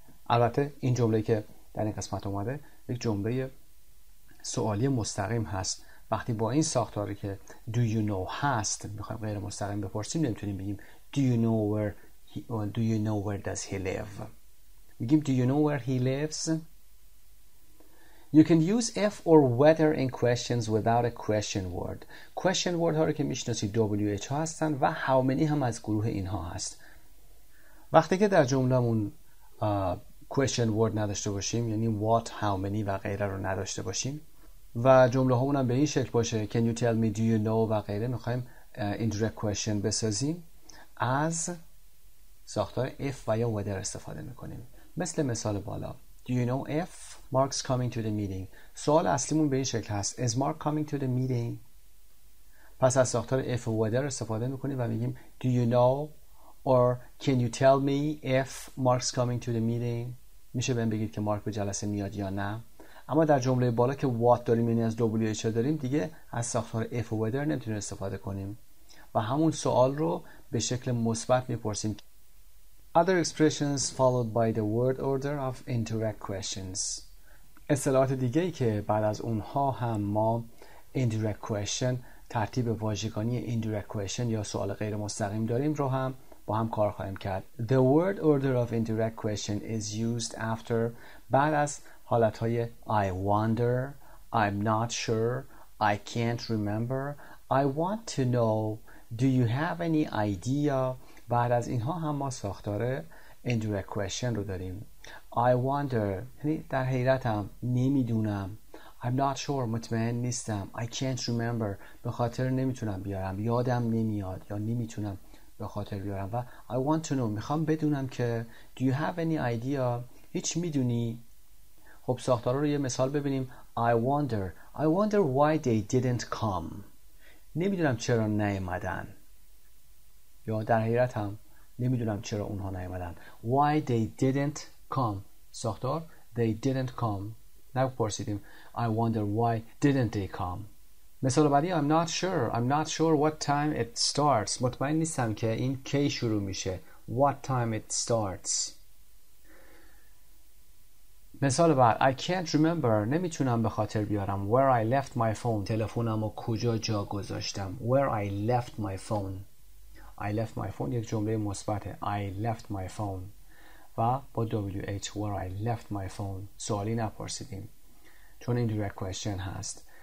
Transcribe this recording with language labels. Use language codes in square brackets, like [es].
[fa] البته این جمله که در این قسمت اومده یک جمله سوالی مستقیم هست. وقتی با این ساختاری که [en] do you know هست میخوایم غیر مستقیم بپرسیم، نمیتونیم بگیم do you know where he, do you know where does he live. [fa] میگیم [en] do you know where he lives. You can use if or whether in questions without a question word. [fa] Question word ها رو که میشناسید WH ها هستن و how many هم از گروه اینها هست. وقتی که در جملهمون question word نداشته باشیم، یعنی what، how many و غیره رو نداشته باشیم و جمله هامون هم به این شکل باشه can you tell me, do you know و غیره، میخواییم indirect question بسازیم، از ساختار if و یا whether استفاده میکنیم. مثل مثال بالا [en] do you know if Mark's coming to the meeting. [fa] سوال اصلیمون به این شکل هست [en] is Mark coming to the meeting. پس از ساختار if و whether [fa] استفاده میکنیم و میگیم [en] do you know or can you tell me if Mark's coming to the meeting. [fa] میشه بهم بگید که مارک به جلسه میاد یا نه. اما در جمله بالا که what داریم، یعنی از WH داریم، دیگه از ساختار if و whether نمیتونیم استفاده کنیم و همون سوال رو به شکل مثبت میپرسیم. [en] Other expressions followed by the word order of indirect questions. [fa] اصطلاحات دیگه ای که بعد از اونها هم ما indirect question، ترتیب واژگانی indirect question یا سوال غیر مستقیم داریم رو هم با هم کار خواهیم کرد. [en] The word order of indirect question is used after، [fa] بعد از حالت‌های [en] I wonder, I'm not sure, I can't remember, I want to know, do you have any idea. [fa] بعد از اینها هم ما ساختار indirect question رو داریم. I wonder، یعنی در حیرتم، نمیدونم. I'm not sure، مطمئن نیستم. [en] I can't remember، [fa] به خاطر نمیتونم بیارم، یادم نمیاد یا نمیتونم به خاطر بیارم. و [en] I want to know، [fa] میخوام بدونم که [en] do you have any idea، [fa] هیچ میدونی. خب ساختارا رو یه مثال ببینیم. [en] I wonder why they didn't come. [fa] نمیدونم چرا نیومدن. یا در حیرتم، نمیدونم چرا اونها نیومدن. [en] Why they didn't come. ساختار they didn't come. نپرسیدیم I wonder why didn't they come. [fa] مثال بعدی [en] I'm not sure what time it starts. [fa] مطمئن نیستم که این کی شروع میشه. [en] What time it starts. [fa] مثال بعد [en] I can't remember. [fa] نمیتونم به خاطر بیارم. [en] Where I left my phone. [fa] تلفنمو کجا جا گذاشتم. [en] Where I left my phone. I left my phone [fa] یک جمله مثبته. [en] I left my phone. و [fa] و با WH [en] where I left my phone [fa] سوالی نپرسیدیم، چون این direct question هست.